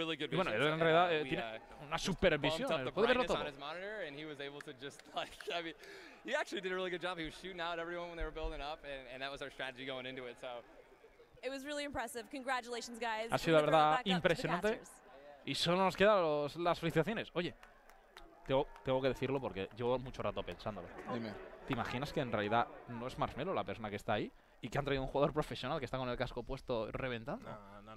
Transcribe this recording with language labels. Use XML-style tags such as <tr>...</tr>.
<es>Y bueno, él en realidad tiene una supervisión, puede verlo todo.</es> <en>And he was able to just like, I mean, he actually did a really good job. He was shooting out everyone when they were building up, and that was our strategy going into it. So it was really impressive. Congratulations, guys.</en> <es>Ha sido la verdad impresionante. Y solo nos quedan las felicitaciones. Oye, tengo que decirlo porque llevo mucho rato pensándolo. Dime. ¿Te imaginas que en realidad no es Marshmallow la persona que está ahí y que han traído un jugador profesional que está con el casco puesto reventando? No,</es>